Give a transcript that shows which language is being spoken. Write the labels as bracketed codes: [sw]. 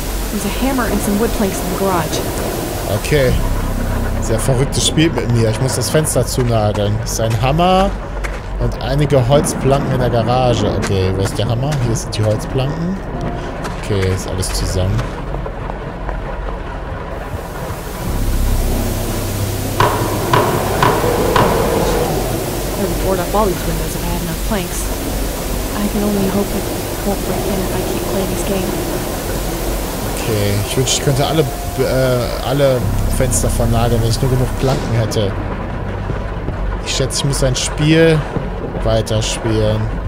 [en] There's a hammer and some wood planks in the garage. [de] Okay. Sehr verrücktes Spiel mit mir. Ich muss das Fenster zunageln. Es ist ein Hammer und einige Holzplanken in der Garage. Okay, wo ist der Hammer? Hier sind die Holzplanken. Okay, ist alles zusammen. [en] All these windows and I have enough planks. I can only hope it won't break in if I keep playing this game. [de] Okay, ich wünschte, ich könnte alle Fenster vernageln, wenn ich nur genug Planken hätte. Ich schätze, ich muss ein Spiel weiterspielen.